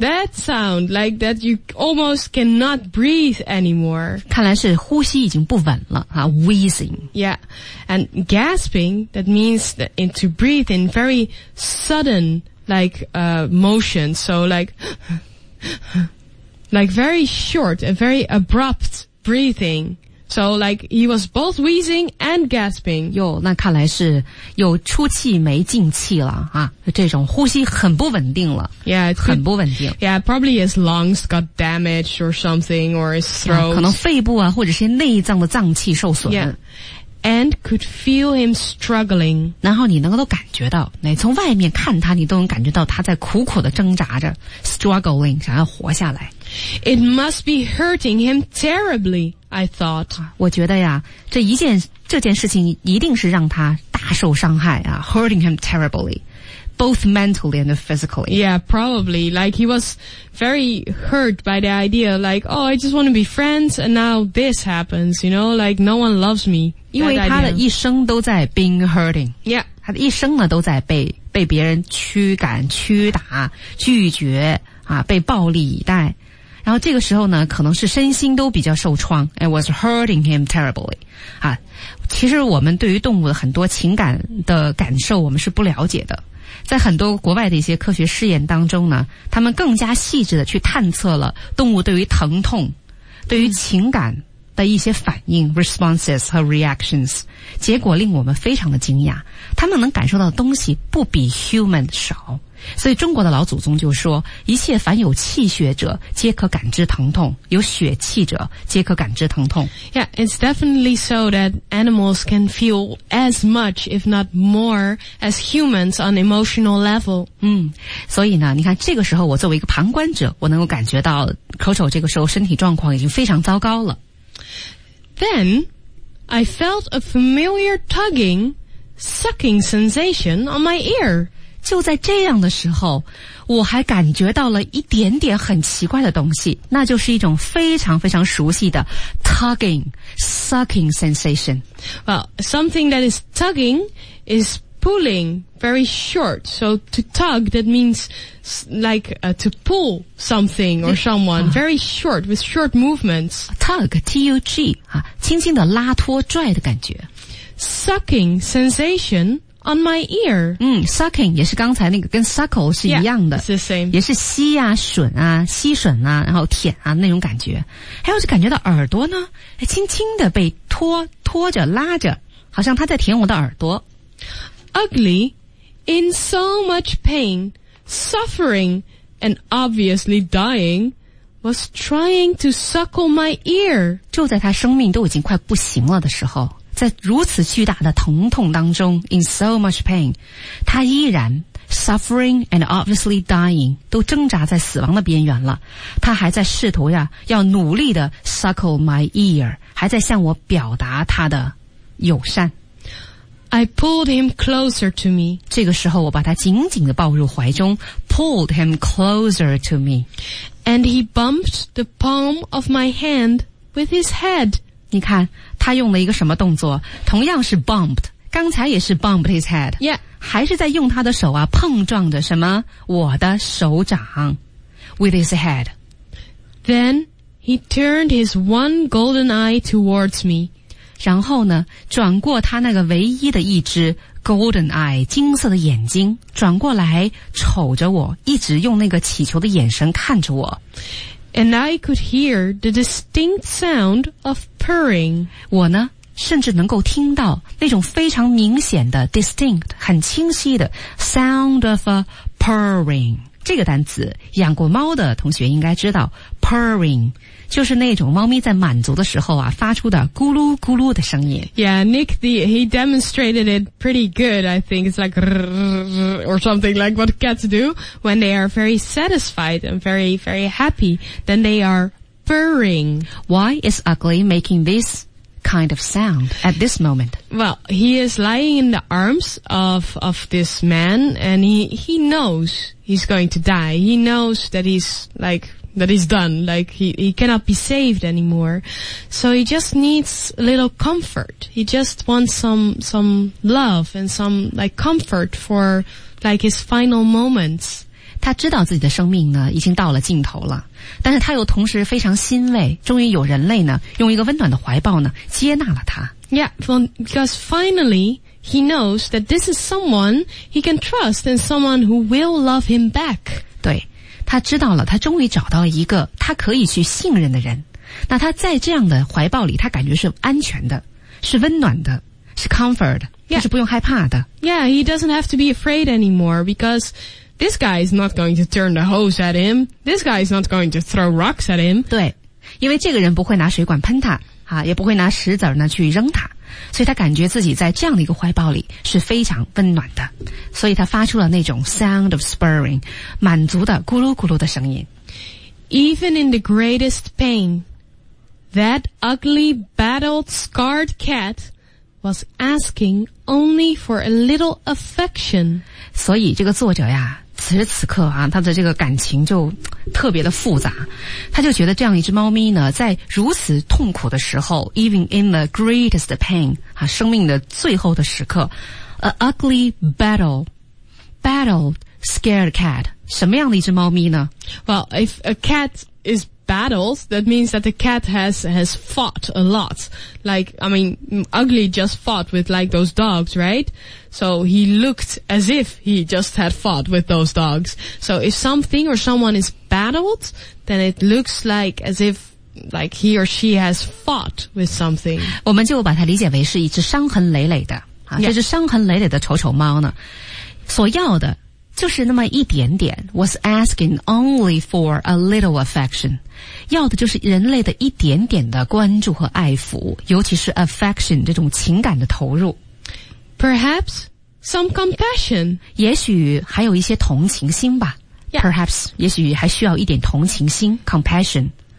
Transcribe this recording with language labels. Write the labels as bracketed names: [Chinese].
[English] That sound like that you almost cannot breathe anymore. [Chinese] 看来是呼吸已经不稳了啊 ，wheezing. [English] Yeah, and gasping that means that to breathe in very sudden. motion, so like very short and very abrupt breathing. So like he was both wheezing and gasping. [Chinese] 哟，那看来是有出气没进气了啊，这种呼吸很不稳定了。 [English] Yeah, [Chinese] it's 很不稳定。 [English] Yeah, probably his lungs got damaged or something, or his throat. [Chinese] Yeah, 可能肺部啊，或者是内脏的脏器受损。 [English] Yeah. And could feel him struggling. [Chinese] 然后你能够都感觉到，你从外面看他，你都能感觉到他在苦苦的挣扎着 ，struggling， 想要活下来。 [English] It must be hurting him terribly, I thought. [Chinese] 我觉得呀，这件事情一定是让他大受伤害啊 ， [English] hurting him terribly, both mentally and physically. Yeah, probably. Like he was very hurt by the idea. Like, oh, I just want to be friends, and now this happens. You know, like no one loves me. [Chinese] 因为他的一生都在 [English] being hurting. Yeah. [Chinese] 他的一生呢都在被别人驱赶驱打拒绝啊被暴力以待。然后这个时候呢可能是身心都比较受创。 [English] It was hurting him terribly. [Chinese] 啊其实我们对于动物的很多情感的感受我们是不了解的。在很多国外的一些科学试验当中呢他们更加细致的去探测了动物对于疼痛对于情感的一些反应 responses 和 reactions， 结果令我们非常的惊讶，他们能感受到的东西不比 human 少。所以中国的老祖宗就说，一切凡有气血者皆可感知疼痛，有血气者皆可感知疼痛。 [English] Yeah, it's definitely so that animals can feel as much if not more as humans on emotional level. [Chinese] 所以呢，你看这个时候我作为一个旁观者，我能够感觉到口丑这个时候身体状况已经非常糟糕了。 [English] Then I felt a familiar tugging, sucking sensation on my ear. [Chinese] 就在这样的时候，我还感觉到了一点点很奇怪的东西，那就是一种非常非常熟悉的 [English] tugging, sucking sensation. Well, something that is tugging is pulling very short. So to tug, that means like to pull something or someone very short with short movements. Tug, T-U-G, [Chinese] 轻轻的拉拖拽的感觉。 [English] Sucking sensation,On my ear. [Chinese] Sucking 也是刚才那个跟 suckle 是一样的。 [English] Yeah, it's the same. [Chinese] 也是吸啊吮啊吸吮啊然后舔啊那种感觉。还有就感觉到耳朵呢轻轻的被拖拖着拉着好像他在舔我的耳朵。 [English] Ugly, in so much pain, suffering, and obviously dying, was trying to suckle my ear. [Chinese] 就在他生命都已经快不行了的时候。在如此巨大的疼痛当中 [English] in so much pain, [Chinese] 他依然 [English] suffering and obviously dying, [Chinese] 都挣扎在死亡的边缘了。他还在试图呀要努力的 [English] suckle my ear, [Chinese] 还在向我表达他的友善。 [English] I pulled him closer to me. [Chinese] 这个时候我把他紧紧地抱入怀中 [English] pulled him closer to me. And he bumped the palm of my hand with his head. [Chinese] 你看他用了一个什么动作同样是 bumped 刚才也是 [English] bumped his head、 yeah. [Chinese] 还是在用他的手啊碰撞着什么我的手掌 [English] with his head Then he turned his one golden eye towards me [Chinese] 然后呢转过他那个唯一的一只 [English] golden eye [Chinese] 金色的眼睛转过来瞅着我一直用那个乞求的眼神看着我 [English] And I could hear the distinct sound of purring. [Chinese] 我呢，甚至能够听到那种非常明显的 distinct, 很清晰的 [English] sound of a purring. [Chinese] 这个单词，养过猫的同学应该知道 purring, 就是那种猫咪在满足的时候啊，发出的咕噜咕噜的声音。 [English] Yeah, Nick, he demonstrated it pretty good, I think. It's like, or something like what cats do when they are very satisfied and very, very happy, then they are purring. Why is Ugly making this kind of sound at this moment? Well, he is lying in the arms of this man and he knows he's going to die. He knows that he's like... That he's done, like he cannot be saved anymore. So he just needs a little comfort. He just wants some love and some like comfort for like his final moments. [Chinese] 他知道自己的生命呢已经到了尽头了，但是他又同时非常欣慰，终于有人类呢用一个温暖的怀抱呢接纳了他。 [English] Yeah, because finally he knows that this is someone he can trust and someone who will love him back. [Chinese] 对。他知道了他终于找到了一个他可以去信任的人那他在这样的怀抱里他感觉是安全的是温暖的是 comfort 他是不用害怕的 [English] Yeah, he doesn't have to be afraid anymore because this guy is not going to turn the hose at him this guy is not going to throw rocks at him [Chinese] 对因为这个人不会拿水管喷他啊，也不会拿石子呢去扔他所以他感觉自己在这样的一个怀抱里是非常温暖的所以他发出了那种 [English] sound of spurring [Chinese] 满足的咕噜咕噜的声音 [English] Even in the greatest pain That ugly battled scarred cat Was asking only for a little affection [Chinese] 所以这个作者呀此时此刻啊他的这个感情就特别的复杂他就觉得这样一只猫咪呢在如此痛苦的时候 [English] even in the greatest pain [Chinese] 啊，生命的最后的时刻 [English] a ugly battled scared cat [Chinese] 什么样的一只猫咪呢 [English] well if a cat is battles that means that the cat has fought a lot like I mean ugly just fought with like those dogs right so he looked as if he just had fought with those dogs so if something or someone is battled then it looks like as if like he or she has fought with something. [Chinese] 我们就把它理解为是一只伤痕累累的、啊 [English] yeah. [Chinese] 这只伤痕累累的丑丑猫呢所要的就是那么一点点 [English] was asking only for a little affection [Chinese] 要的就是人类的一点点的关注和爱抚尤其是 affection 这种情感的投入 [English] Perhaps some compassion [Chinese] 也许还有一些同情心吧、 [English] yeah. [Chinese] Perhaps 也许还需要一点同情心 compassion